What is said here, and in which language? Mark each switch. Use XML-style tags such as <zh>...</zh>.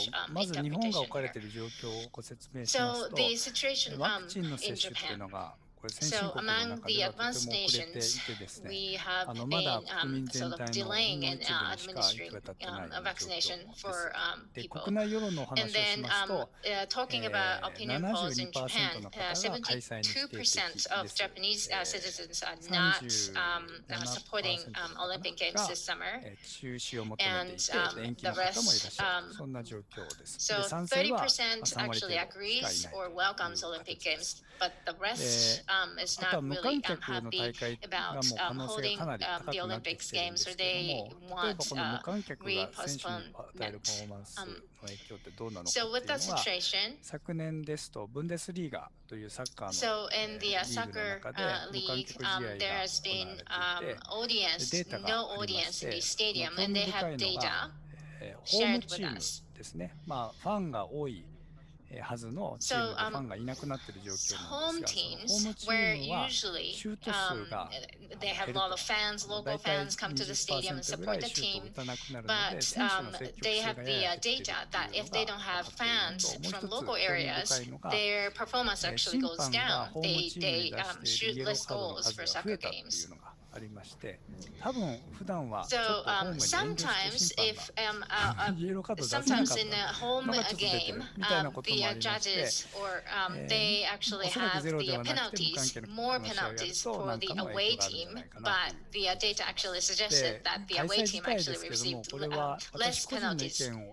<ja>まず日本が置かれている状況をご説明しますと、ワクチンの接種っていうのが、</ja> <en>So among the advanced nations, we have been sort of delaying in administering a vaccination for people. And then talking about opinion polls in Japan, 72% of Japanese citizens are not supporting Olympic Games this summer. And the rest, so 30% actually agrees or welcomes Olympic Games, but the rest,is not really happy about holding the Olympics games, or they want re-postponement. So with that situation,</en> <ja>昨年ですとブンデスリーガというサッカーの</ja> <en>So in the soccer league, there has been audience, no audience in the stadium, and they have data shared with us.</en> <ja>ファンが多いはずのチームでファンがいなくなっている状況なんですが、ホームチームはシュート数が減ると、大体 20% ぐらいシュートを打たなくなるので、選手の積極性がややっているというのが分かっていると、もう一つ興味深いのが、審判がホームチームに出しているイエローカードの数が増えたというのが、ありまして、多分普段はちょっとホームで遠慮して審判がイエローカード出せなかったのがちょっと出てるみたいなこともありまして、</ja> <en>they actually have the penalties, more penalties for the away team, but the data actually suggested that the away team actually received less penalties.</en>